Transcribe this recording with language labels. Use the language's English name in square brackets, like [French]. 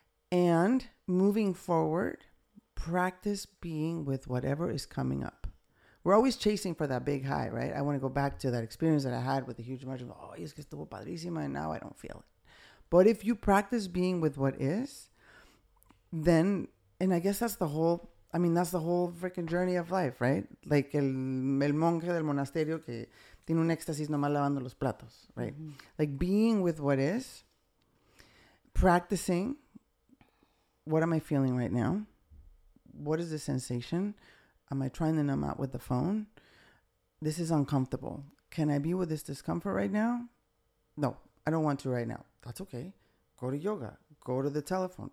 [English] And moving forward, practice being with whatever is coming up. We're always chasing for that big high, right? I want to go back to that experience that I had with the huge margin. Oh, [Spanish] es que estuvo padrísima, [English] and now I don't feel it. But if you practice being with what is, then, and I guess that's the whole freaking journey of life, right? Like [Spanish] el monje del monasterio que tiene un éxtasis nomás lavando los platos, [English] right? Mm-hmm. Like being with what is, practicing, what am I feeling right now? What is the sensation? Am I trying to numb out with the phone? This is uncomfortable. Can I be with this discomfort right now? No, I don't want to right now. That's okay. Go to yoga. Go to the telephone.